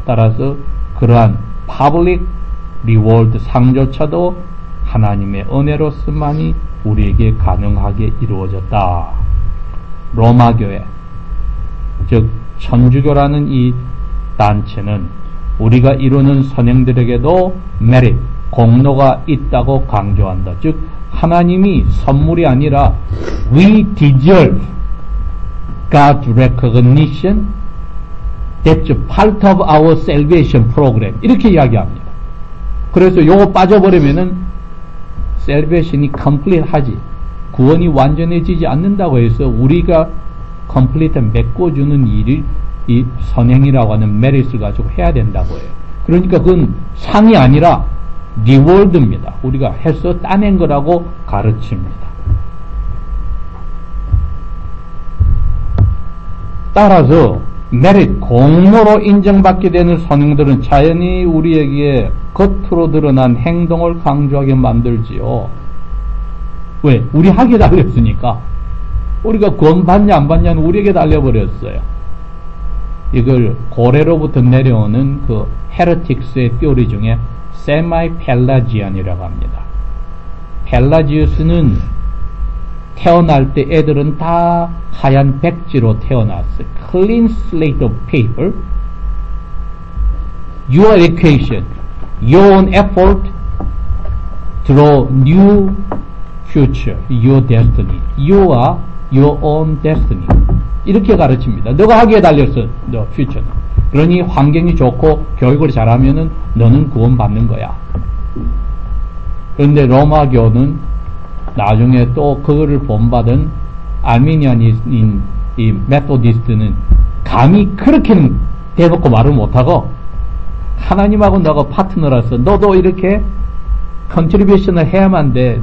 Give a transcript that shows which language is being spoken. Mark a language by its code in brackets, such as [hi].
[ko] 따라서 그러한 public reward 상조차도 하나님의 은혜로서만이 우리에게 가능하게 이루어졌다. 로마교회, 즉 천주교라는 이 단체는 우리가 이루는 선행들에게도 merit, 공로가 있다고 강조한다. 즉 하나님이 선물이 아니라 [en] we deserve God's recognition, that's part of our salvation program. [ko] 이렇게 이야기합니다. 그래서 요거 빠져버리면은 salvation이 complete 하지. 구원이 완전해지지 않는다고 해서 우리가 complete 메꿔주는 일이 이 선행이라고 하는 merit을 가지고 해야 된다고 해요. 그러니까 그건 상이 아니라 reward입니다. 우리가 해서 따낸 거라고 가르칩니다. 따라서 merit, 공로로 인정받게 되는 선행들은 자연히 우리에게 겉으로 드러난 행동을 강조하게 만들지요. 왜? 우리 하게 달렸으니까. 우리가 구원 받냐 안 받냐는 우리에게 달려버렸어요. 이걸 고대로부터 내려오는 그 헤레틱스의 뼈리 중에 세마이 펠라지안이라고 합니다. 펠라지우스는 태어날 때 애들은 다 하얀 백지로 태어났어요. [en] Clean slate of paper. Your education, your own effort draw new future, your destiny. You are your own destiny. [ko] 이렇게 가르칩니다. 너가 하기에 달렸어, 너 future는. 그러니 환경이 좋고 교육을 잘하면은 너는 구원받는 거야. 그런데 로마교는 나중에 또 그거를 본받은 아미니안인 이 메토디스트는 감히 그렇게는 대놓고 말을 못하고 하나님하고 너가 파트너라서 너도 이렇게 컨트리뷰션을 해야만 돼.